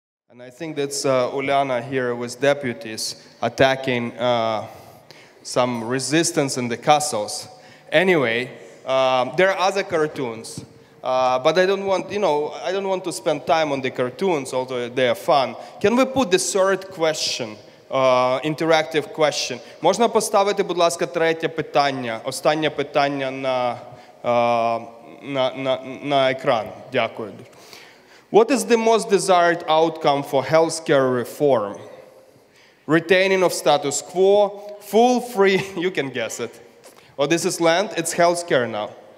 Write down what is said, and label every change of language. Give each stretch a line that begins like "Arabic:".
English: And I think that's Ulana here with deputies attacking some resistance in the castles. Anyway, there are other cartoons, but I don't want, you know, I don't want to spend time on the cartoons, although they are fun. Can we put the third question, interactive question?
Ukrainian: Можна поставити, будь ласка, третє питання, останнє питання на екран. Дякую.
English: What is the most desired outcome for healthcare reform? Retaining of status quo, full free, you can guess it. Oh, this is land, it's healthcare now.